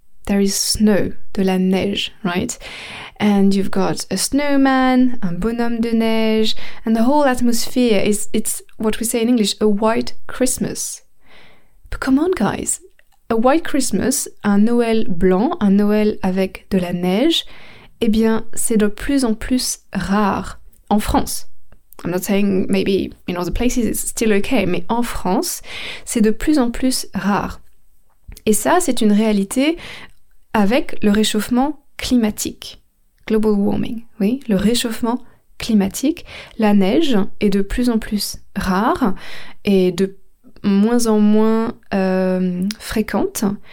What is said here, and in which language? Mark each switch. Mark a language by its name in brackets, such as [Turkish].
[English] There is snow, [French] de la neige, [English] right? And you've got a snowman, [French] un bonhomme de neige, [English] and the whole atmosphere is, it's what we say in English, a white Christmas. But come on, guys. A white Christmas, [French] un Noël blanc, un Noël avec de la neige, eh bien, c'est de plus en plus rare en France. [English] I'm not saying maybe in other places it's still okay, [French] mais en France, c'est de plus en plus rare. Et ça, c'est une réalité avec le réchauffement climatique. [English] Global warming, [French] oui, le réchauffement climatique. La neige est de plus en plus rare et de moins en moins fréquente.